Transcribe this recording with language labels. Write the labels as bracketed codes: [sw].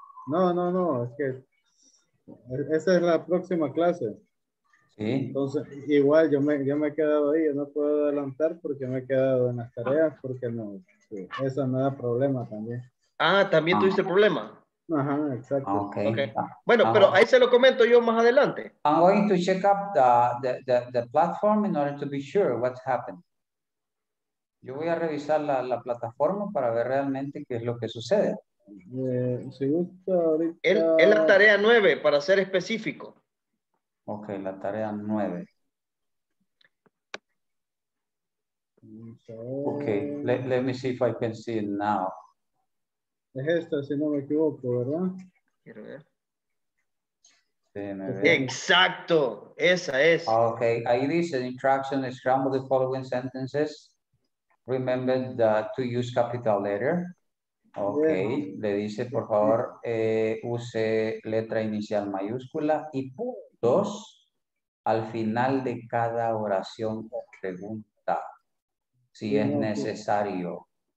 [es] No. Es que esa es la próxima clase. Sí. Entonces, igual yo me he quedado ahí. Yo no puedo adelantar porque me he quedado en las tareas. Porque no, sí, esa me da problema también. Ah, también tuviste el problema. Ajá, exacto. [en] Okay. [es] Bueno, pero ahí se lo comento yo más adelante. [en] I'm going to check up the platform in order to be sure what's happened. [es] Yo voy a revisar la plataforma para ver realmente qué es lo que sucede. Si gusta ahorita... Es la tarea 9, para ser específico. Ok, la tarea 9. [en] Ok, let me see if I can see it now. [es] Es esta, si no me equivoco, ¿verdad? Quiero ver. Sí, me ve. ¡Exacto! Esa es. [en] Ok, [es] ahí dice, [en] instruction, scramble the following sentences. Remember to use capital letter. [es] Ok, le dice, por favor, use letra inicial mayúscula y puntos al final de cada oración o pregunta, si es necesario.